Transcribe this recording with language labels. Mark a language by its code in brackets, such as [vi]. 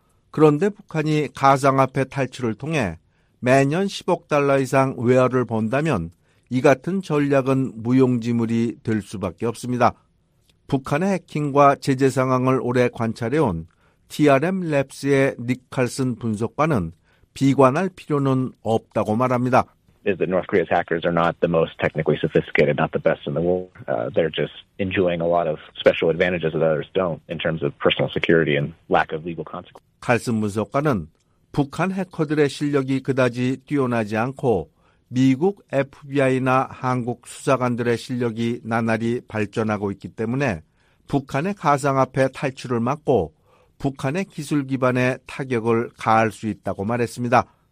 [ko] 그런데 북한이 가상화폐 탈출을 통해 매년 10억 달러 이상 외화를 번다면 이 같은 전략은 무용지물이 될 수밖에 없습니다. 북한의 해킹과 제재 상황을 오래 관찰해온 TRM 랩스의 니칼슨 분석관은 비관할 필요는 없다고 말합니다. [en] Is that North Korea's hackers are not the most technically sophisticated, not the best in the world. They're just enjoying a lot of special advantages that others don't in terms of personal security and lack of legal consequences. [ko] 칼슨 분석가는 북한 해커들의 실력이 그다지 뛰어나지 않고 미국 FBI나 한국 수사관들의 실력이 나날이 발전하고 있기 때문에 북한의 가상화폐 탈출을 막고 북한의 기술 기반에 타격을 가할 수 있다고 말했습니다.